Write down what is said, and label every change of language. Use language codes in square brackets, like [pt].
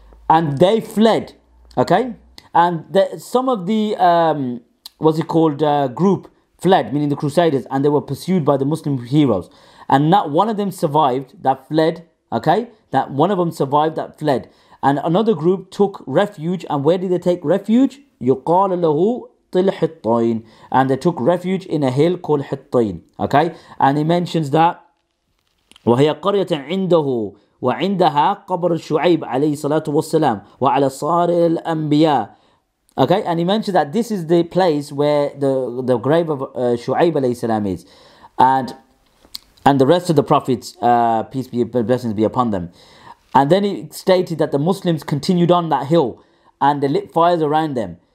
[en] and they fled, okay, and group fled, meaning the Crusaders, and they were pursued by the Muslim heroes, and not one of them survived that fled, okay, that one of them survived that fled, and another group took refuge, and where did they take refuge? [ar] يقال له الحطين. [en] And they took refuge in a hill called Hittin. Okay, and he mentions that [ar] وهي قرية عنده وعندها قبر شعيب عليه الصلاة والسلام وعلى صار الأنبياء. [en] Okay, and he mentions that this is the place where the grave of شعيب [ar] عليه السلام [en] is, and the rest of the prophets, peace be blessings be upon them. And then he stated that the Muslims continued on that hill, and they lit fires around them.